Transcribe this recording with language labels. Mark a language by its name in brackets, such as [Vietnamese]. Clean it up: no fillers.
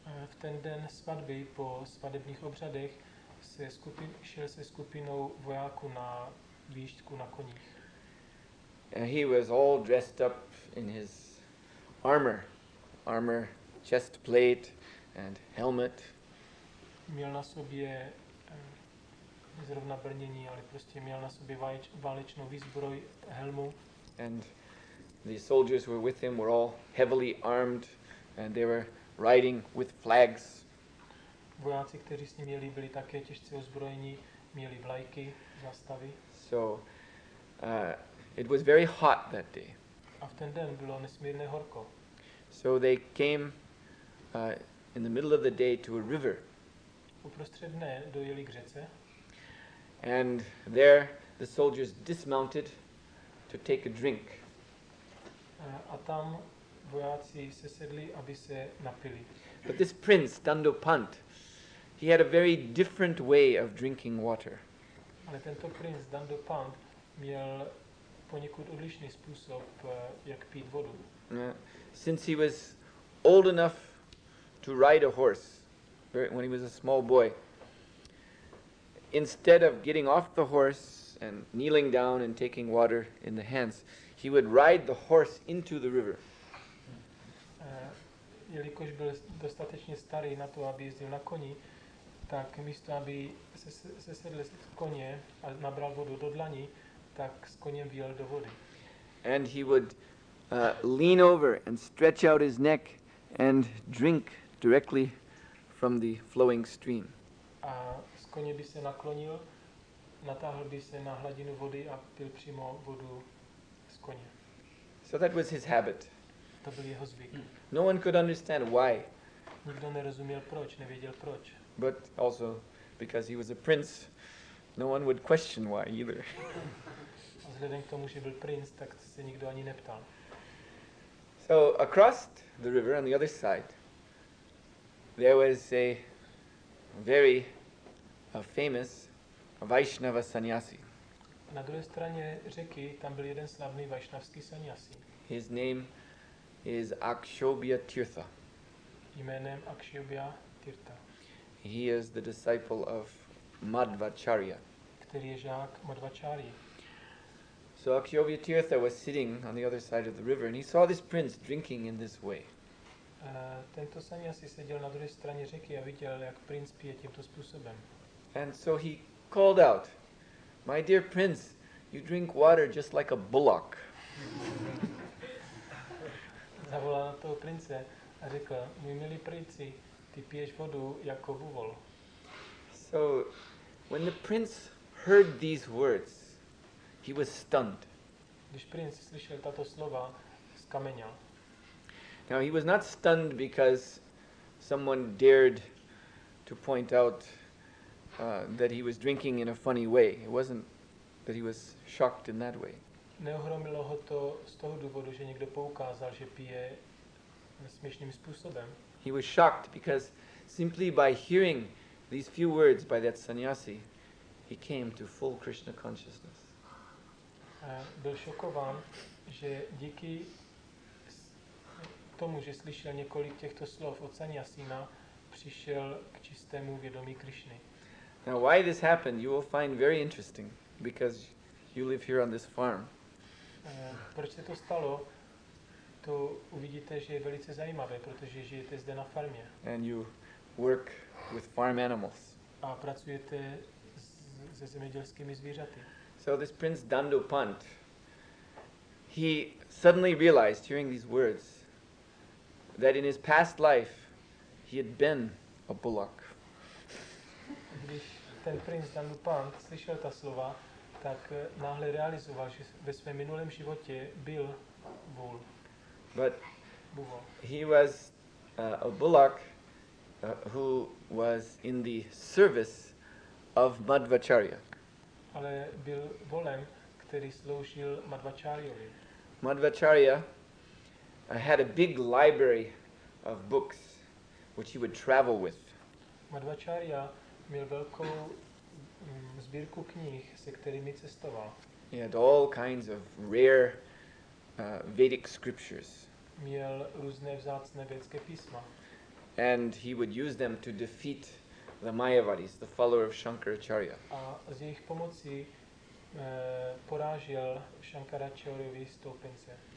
[Czech] V ten den svatby po svatebních obřadech šel se skupinou vojáků na výšku na koních. [English] He was all dressed up in his armor, chest plate and helmet. [Czech] Měl na sobě zrovna brnění, ale prostě měl na sobě válečnou výzbroj, helmu. [English] And the soldiers who were with him were all heavily armed and they were riding with flags. [Czech] Vojáci, kteří s ním jeli, byli také těžce ozbrojení, měli vlajky, zástavy. [English] So it was very hot that day. [Czech] A v ten den bylo nesmírně horko. [English] So they came in the middle of the day to a river. [Czech] Uprostřed dne dojeli k řece. [English] And there the soldiers dismounted to take a drink. [Czech] A tam vojáci se sedli, aby se napili. [English] But this prince Dandopant, he had a very different way of drinking water. [Czech] Ale tento prince Dandopant měl poněkud odlišný způsob, jak pít vodu. [English] Since he was old enough to ride a horse when he was a small boy, instead of getting off the horse and kneeling down and taking water in the hands, he would ride the horse into the river. [Czech] Jelikož byl dostatečně starý na to, aby jezdil na koni, tak místo, aby se sedl z koně a nabral vodu do dlaní, tak s koněm vyjel do vody. [English] And he would lean over and stretch out his neck and drink directly from the flowing stream. [Czech] A s koně by se naklonil, natáhl by se na hladinu vody a pil přímo vodu z koně. [English] So that was his habit. [Czech] To byl jeho zvyk. [English] No one could understand why. [Czech] Nikdo nerozuměl proč, nevěděl proč. [English] But also because he was a prince, no one would question why either. [Czech] A vzhledem k tomu, že byl princ, tak se nikdo ani neptal. [English] So across the river on the other side, there was a very famous Vaishnava sannyasi. [Czech] Na druhé straně řeky tam byl jeden slavný vaishnavský sannyasi. [English] His name is Akshobhya Tirtha. [Czech] Jménem Akshobhya Tirtha. [English] He is the disciple of Madhvacharya. [Czech] Který je žák Madhvacharya. [English] So Akshobhya Tirtha was sitting on the other side of the river and he saw this prince drinking in this way. [Czech] Tento sannyasi seděl na druhé straně řeky a viděl, jak princ pije tímto způsobem. [English] And so he called out, "My dear prince, you drink water just like a bullock." [Czech] Zavolal na toho prince a řekl, "Můj milý princi, ty piješ vodu jako buvol." [English] So when the prince heard these words, he was stunned. [Czech] Když princ slyšel tato slova, skameněl. [English] Now he was not stunned because someone dared to point out that he was drinking in a funny way. It wasn't that he was shocked in that way. [Czech] Neohromilo ho to z toho důvodu, že někdo poukázal, že pije směšným způsobem. [English] He was shocked because simply by hearing these few words by that sannyasi, he came to full Krishna consciousness. [Czech] Byl šokován, že díky tomu, že slyšel několik těchto slov od sannyasina, přišel k čistému vědomí Krišny. [English] Now why this happened, you will find very interesting, because you live here on this farm. [Czech] Proč se to stalo, to uvidíte, že je velice zajímavé, protože žijete zde na farmě. [English] And you work with farm animals. [Czech] A pracujete se zemědělskými zvířaty. [English] So this prince Dandupant, he suddenly realized, hearing these words, that in his past life he had been a bullock. [Czech] Když ten princ Dandupant slyšel ta slova, tak náhle realizoval, že ve svém minulém životě byl vůl. [English] But he was a bullock who was in the service of Madhvacharya. [Czech] Ale byl volem, který sloužil Madhvacharyovi. [English] Madhvacharya had a big library of books which he would travel with. [Czech] Madhvacharya měl velkou sbírku knih, se kterými cestoval. [English] He had all kinds of rare Vedic scriptures. [Czech] Měl různé vzácné vědecké písma. [English] And he would use them to defeat the Mayavadis, the follower of Shankaracharya. [Czech] A z jejich pomocí porážil Shankaracharyovi stoupence.